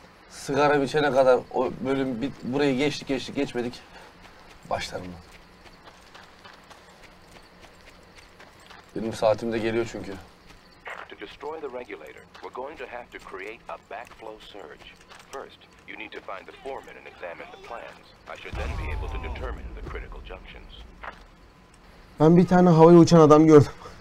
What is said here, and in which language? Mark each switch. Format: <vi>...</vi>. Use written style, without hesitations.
<tr>Sigara bitene kadar o bölüm bit, burayı geçtik geçmedik başlarım ben. Benim saatim de geliyor çünkü.</tr> <en>To destroy the regulator, we're going to have to create a backflow surge. First, you need to find the foreman and examine the plans. I should then be able to determine the critical junctions.</en> <tr>Ben bir tane havaya uçan adam gördüm.</tr>